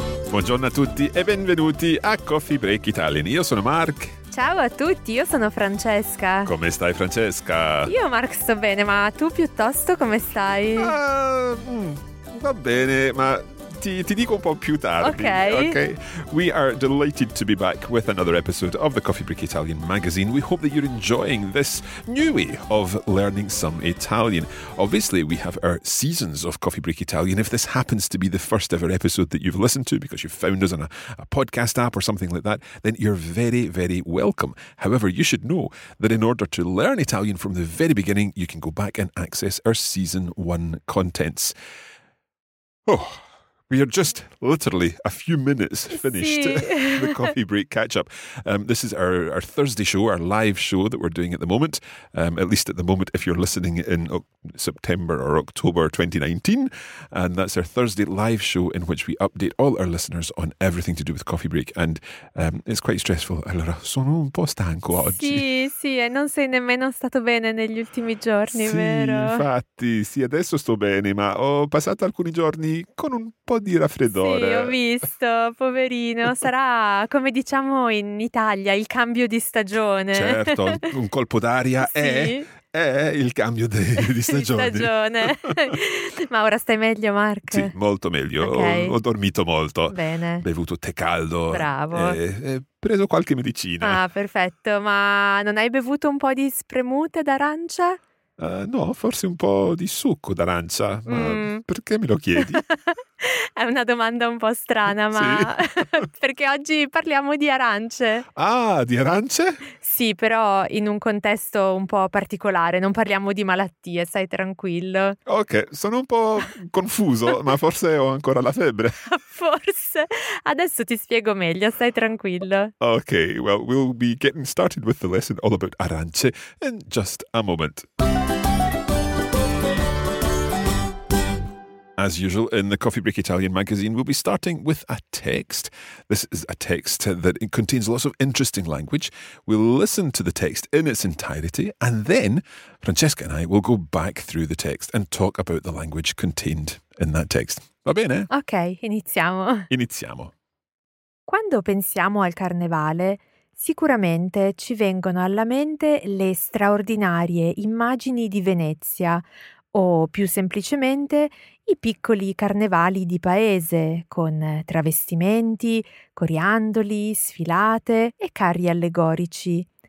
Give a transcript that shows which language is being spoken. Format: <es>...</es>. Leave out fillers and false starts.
<it>Buongiorno a tutti e benvenuti a Coffee Break Italian. Io sono Mark. Ciao a tutti, io sono Francesca. Come stai, Francesca? Io, Mark, sto bene, ma tu piuttosto come stai? Va bene, ma ti dico un po' più tardi. Okay.</it> <en>We are delighted to be back with another episode of the Coffee Break Italian magazine. We hope that you're enjoying this new way of learning some Italian. Obviously, we have our seasons of Coffee Break Italian. If this happens to be the first ever episode that you've listened to because you've found us on a podcast app or something like that, then you're very, very welcome. However, you should know that in order to learn Italian from the very beginning, you can go back and access our season one contents. Oh, we are just literally a few minutes finished the Coffee Break catch-up. This is our Thursday show, our live show that we're doing at the moment, at least at the moment if you're listening in September or October 2019. And that's our Thursday live show in which we update all our listeners on everything to do with Coffee Break. And it's quite stressful.</en> <it>Allora, sono un po' stanco oggi. Sì, sì, e non sei nemmeno stato bene negli ultimi giorni, sì, vero? Sì, infatti, sì, adesso sto bene, ma ho passato alcuni giorni con un po' di raffreddore. Sì, ho visto, poverino. Sarà, come diciamo in Italia, il cambio di stagione. Certo, un colpo d'aria sì. È il cambio di stagione. Di stagione. Ma ora stai meglio, Mark? Sì, molto meglio. Okay. Ho dormito molto. Bene. Bevuto tè caldo. Bravo. E preso qualche medicina. Ah, perfetto. Ma non hai bevuto un po' di spremute d'arancia? No, forse un po' di succo d'arancia. Ma perché me lo chiedi? È una domanda un po' strana, ma perché oggi parliamo di arance. Ah, di arance? Sì, però in un contesto un po' particolare, non parliamo di malattie, stai tranquillo. Ok, sono un po' confuso, ma forse ho ancora la febbre. Forse, adesso ti spiego meglio, stai tranquillo.</it> <en>Ok, well, we'll be getting started with the lesson all about arance in just a moment. As usual, in the Coffee Break Italian magazine, we'll be starting with a text. This is a text that contains lots of interesting language. We'll listen to the text in its entirety, and then Francesca and I will go back through the text and talk about the language contained in that text.</en> <it>Va bene? Ok, iniziamo. Iniziamo. Quando pensiamo al carnevale, sicuramente ci vengono alla mente le straordinarie immagini di Venezia, o più semplicemente i piccoli carnevali di paese con travestimenti, coriandoli, sfilate e carri allegorici.</it>